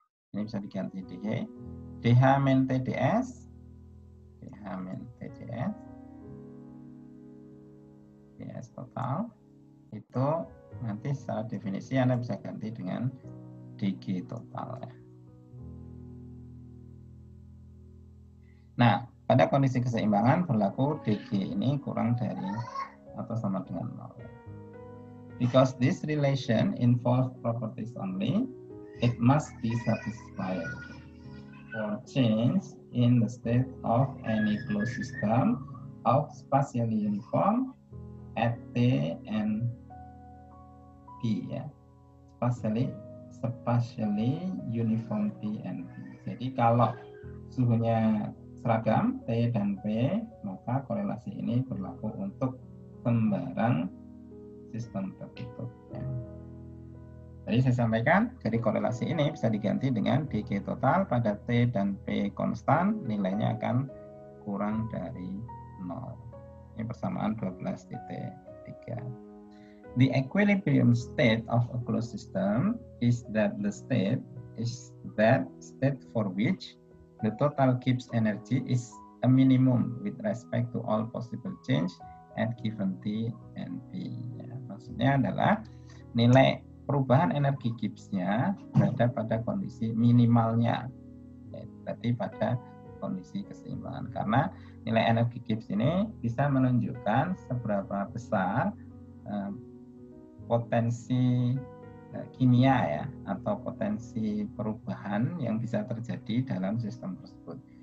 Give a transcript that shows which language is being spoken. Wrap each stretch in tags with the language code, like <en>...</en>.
<id>Ini bisa diganti DH. DH min TDS, DH min TDS, DS total, itu nanti secara definisi Anda bisa ganti dengan DG total ya. Nah, pada kondisi keseimbangan berlaku DG ini kurang dari atau sama dengan 0.</id> <en>Because this relation involves properties only, it must be satisfied. For change in the state of any closed system of spatially uniform at T and P. Ya. Spatially uniform T and P.</en> <id>Jadi kalau suhunya seragam T dan P, maka korelasi ini berlaku untuk sembarang sistem tertutup. Jadi saya sampaikan, jadi korelasi ini bisa diganti dengan DG total pada T dan P konstan, nilainya akan kurang dari 0. Ini persamaan 12.3.</id> <en>The equilibrium state of a closed system is that state for which the total Gibbs energy is a minimum with respect to all possible change at given T and P.</en> <id>Ya, maksudnya adalah nilai perubahan energi Gibbs-nya berada pada kondisi minimalnya, ya, berarti pada kondisi keseimbangan. Karena nilai energi Gibbs ini bisa menunjukkan seberapa besar potensi kimia ya, atau potensi perubahan yang bisa terjadi dalam sistem tersebut.</id>